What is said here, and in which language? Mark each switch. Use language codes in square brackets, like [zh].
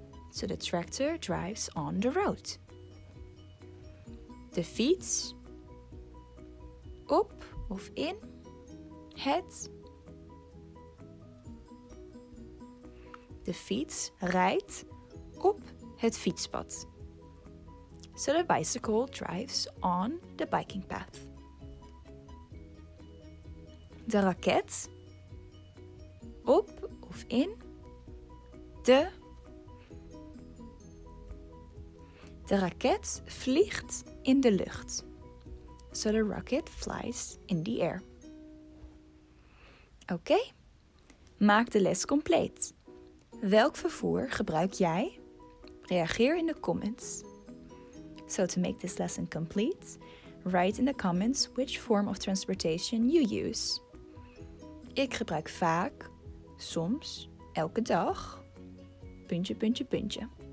[en] So the tractor drives on the road. [nl] De fiets. Op of in het. De fiets rijdt op het fietspad. [en] So the bicycle drives on the biking path. [nl] De raket. Op of in de. De raket vliegt in de lucht. [en] So the rocket flies in the air. [nl] Oké, maak de les compleet. Welk vervoer gebruik jij Reageer in de comments. [en] So to make this lesson complete, write in the comments which form of transportation you use. [nl] Ik gebruik vaak, soms, elke dag, puntje, puntje, puntje.